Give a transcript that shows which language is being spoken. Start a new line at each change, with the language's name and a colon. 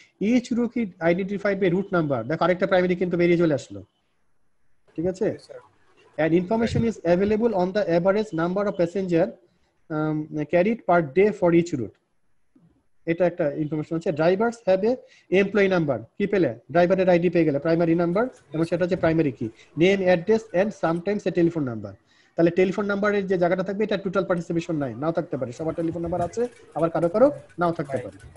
English: each route key identified by route number,
Bangla: দেখো আরেকটা প্রাইমারি কিন্তু বেরিয়ে চলে আসলো, ঠিক আছে।
English: And information is available on the average number of passenger carried per day for each route.
Bangla: এটা একটা ইনফরমেশন হচ্ছে।
English: drivers have a employee number,
Bangla: কি পেলে, ড্রাইভারের আইডি পেয়ে গেলে,
English: Primary number, এবং সেটা হচ্ছে primary key, name address and sometimes a telephone number.
Bangla: তাহলে টেলিফোন নাম্বারের যে জায়গাটা থাকবে এটা টোটাল পার্টিসিপেশন নাই, নাও থাকতে পারে, সবার টেলিফোন নাম্বার আছে, আবার কারো কারো নাও থাকতে পারে।